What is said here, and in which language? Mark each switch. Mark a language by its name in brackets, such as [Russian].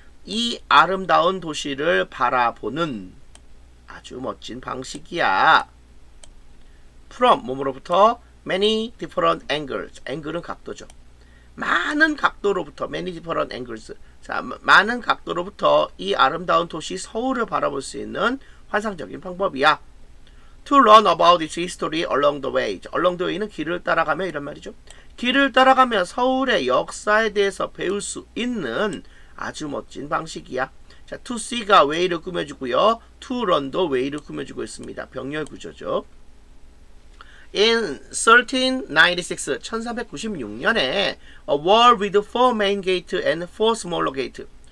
[Korean] 이 아름다운 도시를 바라보는 아주 멋진 방식이야. [English] From [Korean] 몸으로부터 [English] many different angles. [Korean] 앵글은 각도죠. 많은 각도로부터 [English] many different angles. [Korean] 자, 많은 각도로부터 이 아름다운 도시 서울을 바라볼 수 있는 환상적인 방법이야. [English] To learn about its history along the way. along the way [Korean] 는 길을 따라가며 이런 말이죠. 길을 따라가며 서울의 역사에 대해서 배울 수 있는 아주 멋진 방식이야. 자, to see가 way를 꾸며주고요. to run도 way를 꾸며주고 있습니다. 병렬 구조죠. [English] In 1396, 1396년에 a wall with 4 main gate and 4 smaller gate.